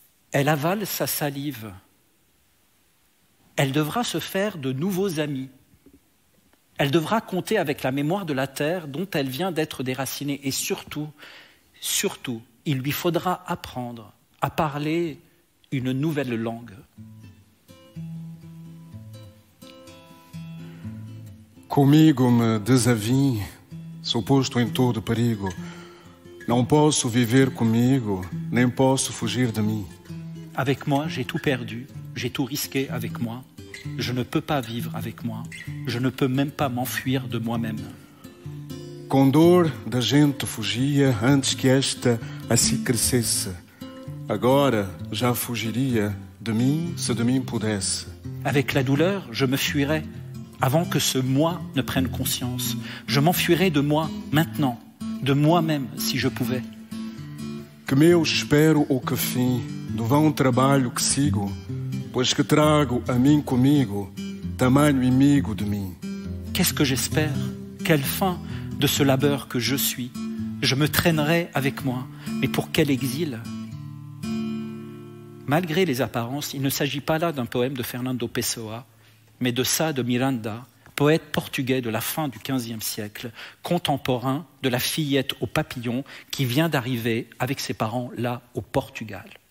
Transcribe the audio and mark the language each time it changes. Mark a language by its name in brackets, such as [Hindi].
[French] Elle avale sa salive. Elle devra se faire de nouveaux amis. Elle devra compter avec la mémoire de la terre dont elle vient d'être déracinée. Et surtout, surtout, il lui faudra apprendre à parler une nouvelle langue. [Portuguese] Comigo me desavi, sou posto em todo perigo. Não posso viver comigo, nem posso fugir de mim. [French] Avec moi, j'ai tout perdu, j'ai tout risqué avec moi. Je ne peux pas vivre avec moi, je ne peux même pas m'enfuir de moi-même. [Portuguese] Com dor da gente fugia antes que esta assim crescesse. Agora já fugiria de mim se de mim pudesse. [French] Avec la douleur, je me fuirais. Avant que ce moi ne prenne conscience, je m'enfuirais de moi maintenant, de moi-même si je pouvais. [Portuguese] Que meu espero ou que fim do vão trabalho que sigo, pois que trago a mim comigo tamanho inimigo de mim. [French] Qu'est-ce que j'espère? Quelle fin de ce labeur que je suis? Je me traînerai avec moi, mais pour quel exil? Malgré les apparences, il ne s'agit pas là d'un poème de Fernando Pessoa, mais de Sá de Miranda, poète portugais de la fin du XVe siècle, contemporain de la fillette au papillon qui vient d'arriver avec ses parents là, au Portugal.